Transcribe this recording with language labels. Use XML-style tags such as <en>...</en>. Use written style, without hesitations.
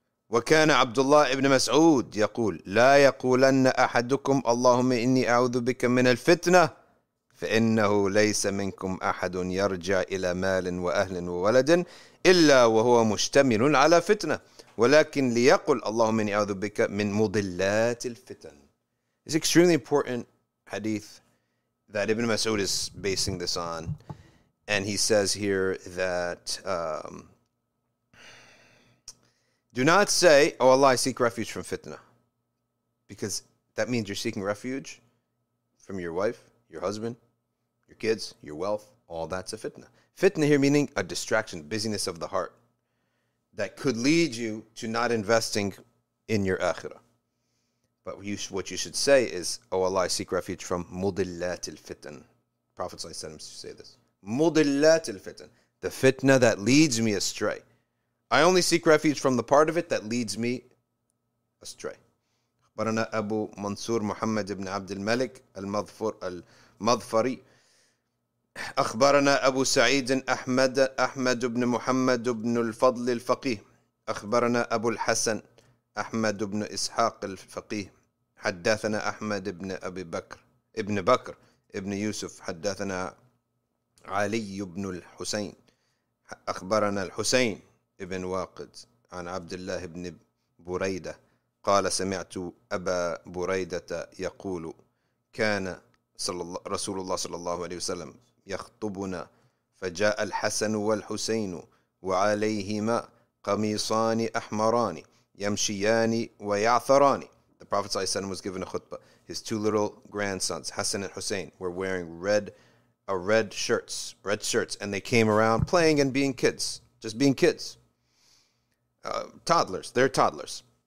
<ar>وكان عبد الله ابن مسعود يقول لا يقولن أحدكم اللهم إني أعوذ بك من الفتنة فإنه ليس منكم أحد يرجع إلى مال وأهل وولد إلا وهو مشتمل على فتنة ولكن ليقل اللهم إني أعوذ بك من مضلات الفتن.</ar> <en>It's extremely important hadith that Ibn Mas'ud is basing this on, and he says here that do not say, oh Allah, I seek refuge from fitna, because that means you're seeking refuge from your wife, your husband, your kids, your wealth, all that's a fitna. Fitna here meaning a distraction, busyness of the heart that could lead you to not investing in your akhirah. But you, what you should say is, oh Allah, I seek refuge from mudillat al-fitan. Prophet ﷺ used to say this. Mudillat al-fitan. The fitna that leads me astray. I only seek refuge from the part of it that leads me astray.</en> <ar>أخبرنا أبو منصور محمد بن عبد الملك المظفري أخبرنا أبو سعيد أحمد بن محمد بن الفضل الفقيه أخبرنا أبو الحسن أحمد بن إسحاق الفقيه حدثنا أحمد بن أبي بكر ابن بكر ابن يوسف حدثنا علي بن الحسين أخبرنا الحسين ابن واقد عن عبد الله بن بريدة قال سمعت أبا بريدة يقول كان رسول الله صلى الله عليه وسلم يخطبنا فجاء الحسن والحسين وعليهما قميصان أحمران يمشيان ويعثران.</ar> <en>The Prophet ﷺ was given a khutbah. His two little grandsons, Hassan and Hussein, were wearing red shirts, and they came around playing and being kids, just being kids. Toddlers, they're toddlers.</en>